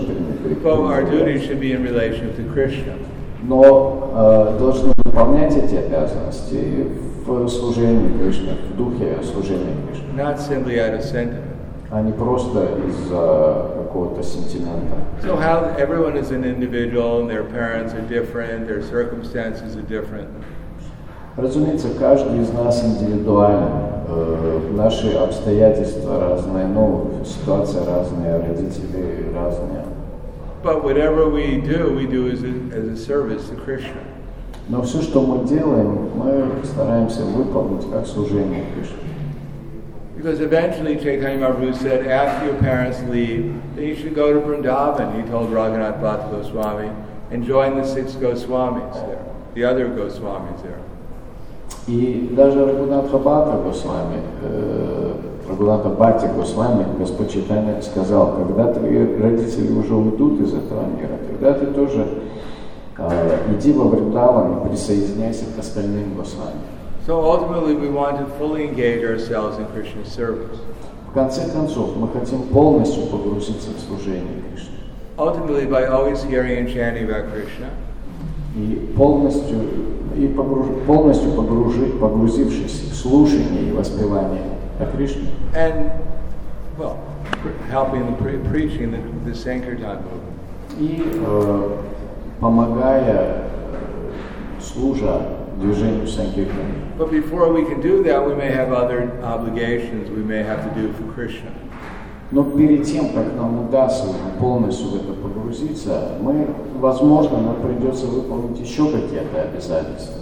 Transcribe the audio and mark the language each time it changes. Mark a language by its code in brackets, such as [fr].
[ru] пренебрегать. Но должны выполнять эти обязанности в служении Кришне, в духе служения Кришне. [en] Not simply out of sentiment. [ru] А не просто из-за какого-то сентимента. [en] So how everyone is an individual and their parents are different, their circumstances are different. [ru] Разумеется, каждый из нас индивидуален. Наши обстоятельства разные, но ситуация разная, родители разные. [en] But whatever we do as a service to Krishna. [ru] Но все, что мы делаем, мы стараемся выполнить как служение Кришне. [en] Because eventually Chaitanya Mahaprabhu said, after your parents leave, then you should go to Vrindavan, he told Raghunath Bhatta Goswami, and join the six Goswamis there, the other Goswamis there. [ru] И даже Рагунатха Бхатта Госвами, Рагунатха Бхатти Госвами, Господь Чайтанья сказал, когда твои родители уже уйдут из этого мира, тогда ты тоже иди во Вриндаван и присоединяйся к остальным Госвами. [en] So ultimately we want to fully engage ourselves in Krishna's service. [ru] В конце концов, мы хотим полностью погрузиться в служение Кришне. [en] Ultimately by always hearing and chanting about Krishna. [ru] И полностью погрузившись в слушание и воспевание о Кришне. [en] And, well, helping the preaching the Sankirtan movement. [ru] И помогая, служа движению Санкиртан. [en] But before we can do that, we may have other obligations we may have to do for Krishna. [ru] Но перед тем, как нам удастся полностью в это погрузиться, мы, возможно, нам придется выполнить еще какие-то обязательства.